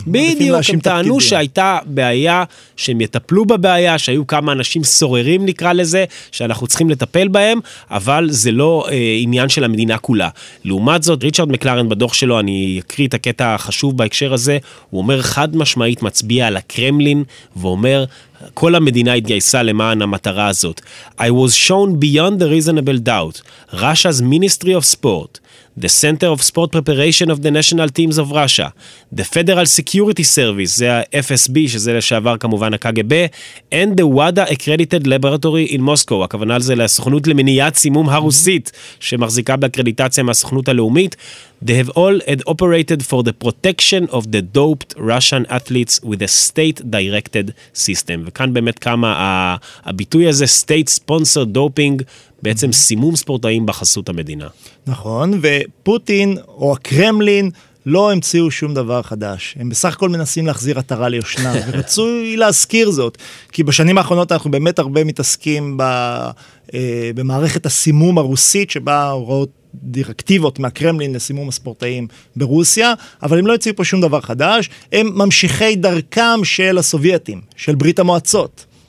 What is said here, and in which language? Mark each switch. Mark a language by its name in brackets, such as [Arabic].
[Hebrew] בדיוק, הם טענו שהייתה בעיה, שהם יטפלו בבעיה, שהיו כמה אנשים סוררים נקרא לזה, שאנחנו צריכים לטפל בהם, אבל זה לא עניין של המדינה כולה. לעומת זאת, ריצ'רד מקלרן בדוח שלו, אני אקריא את הקטע החשוב בהקשר הזה, הוא אומר חד משמעית, מצביע על הקרמלין, ואומר, כל המדינה התגייסה למען המטרה הזאת. [English] I was shown beyond a reasonable doubt. Russia's Ministry of Sport, the Center of Sport Preparation of the National Teams of Russia, the Federal Security Service, [Hebrew] זה ה-FSB, שזה לשעבר כמובן הקגב, [English] and the WADA Accredited Laboratory in Moscow. [Hebrew] הכוונה על זה לסוכנות למניעת סימום הרוסית, שמחזיקה באקרדיטציה מהסוכנות הלאומית. [English] They have all had operated for the protection of the doped Russian athletes with a state-directed system. [Hebrew] וכאן באמת קמה הביטוי הזה, [English] state-sponsored doping, [Hebrew] בעצם סימום ספורטאים בחסות המדינה. נכון, ופוטין או הקרמלין לא המציאו שום דבר חדש. הם בסך הכל מנסים להחזיר עטרה ליושנה, ורצוי להזכיר זאת, כי בשנים האחרונות אנחנו באמת הרבה מתעסקים במערכת הסימום הרוסית, שבה הוראות דירקטיבות מהקרמלין לסימום הספורטאים ברוסיה, אבל הם לא הציעו פה שום דבר חדש, הם ממשיכי דרכם של הסובייטים, של ברית המועצות.